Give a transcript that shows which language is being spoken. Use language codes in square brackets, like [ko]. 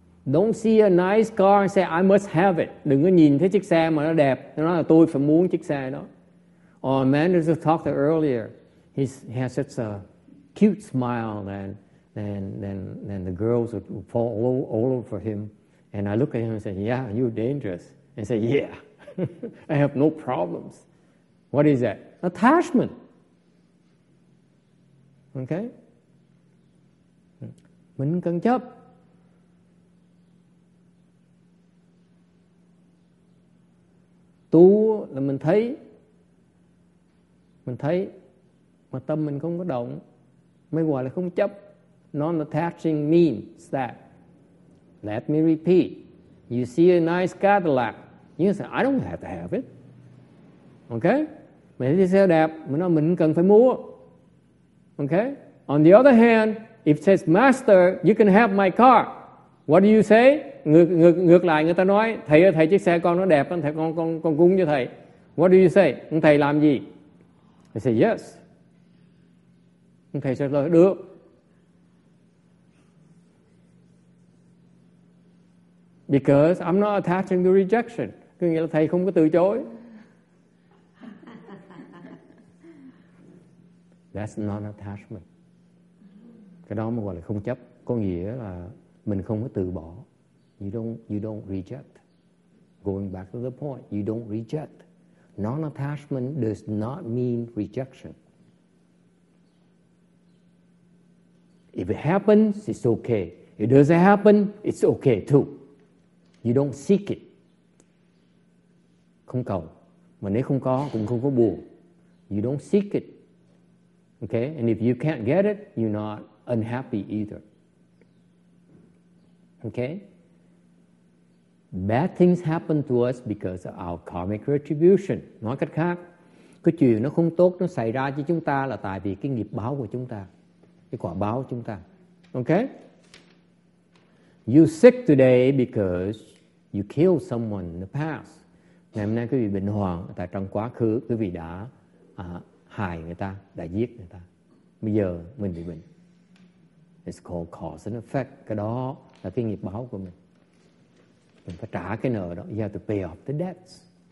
[en] Don't see a nice car and say, I must have it. [vi] Đừng có nhìn thấy chiếc xe mà nó đẹp. Nó nói là tôi phải muốn chiếc xe đó. [en] Or a man who talked earlier, he has such a cute smile and then the girls would fall all over him. And I look at him and say, yeah, you're dangerous. And say, yeah, I have no problems. What is that? Attachment. Okay? [vi] Mình cần chấp. Tu là mình thấy mà tâm mình không có động, mới gọi là không chấp. [en] Non-attaching means that, let me repeat, you see a nice Cadillac, you say, I don't have to have it. Okay? [vi] Mình thấy xe đẹp, mình nói mình cần phải mua. [en] Okay? On the other hand, if it says, Master, you can have my car, what do you say? [vi] Ngược lại người ta nói thầy ơi thầy chiếc xe con nó đẹp thầy con cúng cho thầy. [en] What do you say? [vi] Thầy làm gì? [en] I say yes. [vi] Thầy sẽ nói được. [en] Because I'm not attaching to rejection. [vi] Có nghĩa là thầy không có từ chối. [en] That's non-attachment. [vi] Cái đó mà gọi là không chấp. Có nghĩa là mình không có từ bỏ. [en] You don't reject. Going back to the point, you don't reject. Non-attachment does not mean rejection. If it happens, it's okay. If it doesn't happen, it's okay too. You don't seek it. [vi] Không cầu. Mà nếu không có, cũng không có buồn. [en] You don't seek it. Okay? And if you can't get it, you're not unhappy either. Okay? Bad things happen to us because of our karmic retribution. [vi] Nói cách khác, cái chuyện nó không tốt nó xảy ra cho chúng ta là tại vì cái nghiệp báo của chúng ta, cái quả báo của chúng ta. [en] Okay? You're sick today because you killed someone in the past. [vi] Ngày hôm nay quý vị bệnh hoạn tại trong quá khứ quý vị đã hại người ta, đã giết người ta. Bây giờ mình bị bệnh. [en] It's called cause and effect. [vi] Cái đó là cái nghiệp báo của mình. Mình phải trả cái nợ đó. [en] You have to pay off the debts.